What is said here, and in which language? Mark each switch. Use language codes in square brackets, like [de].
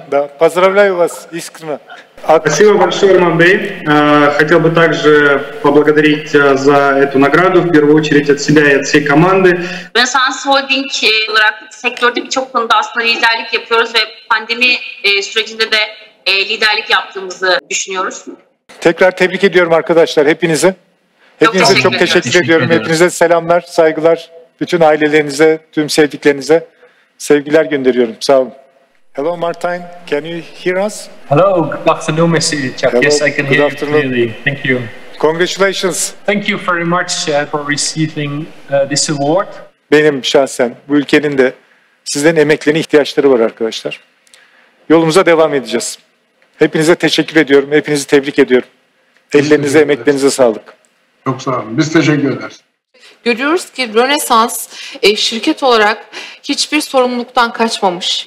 [ru] Да, поздравляю вас искренне. Спасибо большое, Роман Бей. Хотел бы также поблагодарить за эту награду, в первую очередь от себя и от всей команды. [tr] Ben Sans Holding olarak sektörde birçok konuda aslında liderlik yapıyoruz ve pandemi sürecinde de liderlik yaptığımızı düşünüyoruz. Tekrar tebrik ediyorum arkadaşlar hepinizi. Hepinize çok teşekkür ediyorum. Hepinize selamlar, saygılar. Bütün ailelerinize, tüm sevdiklerinize sevgiler gönderiyorum. Sağ olun. [en] Hello, Martijn. Can you hear us? Hello, good afternoon, Mr. Chuck. Hello. Yes, I can good hear afternoon. You clearly. Thank you. Congratulations. Thank you very much for receiving this award. [tr] Benim şahsen, bu ülkenin de sizden emeklerine ihtiyaçları var arkadaşlar. Yolumuza devam edeceğiz. Hepinize teşekkür ediyorum, hepinizi tebrik ediyorum. Ellerinize, emeklerinize sağlık. Çok sağ olun, biz teşekkür ederiz. Görüyoruz ki Rönesans şirket olarak hiçbir sorumluluktan kaçmamış.